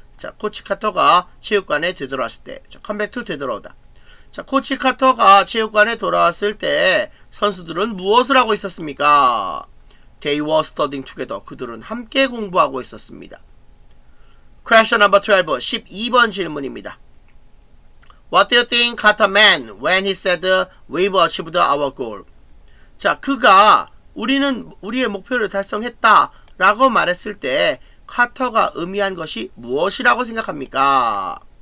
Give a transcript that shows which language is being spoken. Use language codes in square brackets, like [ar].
[ko] 자, 코치 카터가 체육관에 되돌아왔을 때, 자, 컴백투 되돌아오다. 자, 코치 카터가 체육관에 돌아왔을 때 선수들은 무엇을 하고 있었습니까? [en] They were studying together. [ko] 그들은 함께 공부하고 있었습니다. [en] Question number 12, [ko] 12번 질문입니다. [en] What do you think Carter meant when he said we've achieved our goal? [ko] 자, 그가 우리는 우리의 목표를 달성했다 라고 말했을 때 카터가 의미한 것이 무엇이라고 생각합니까?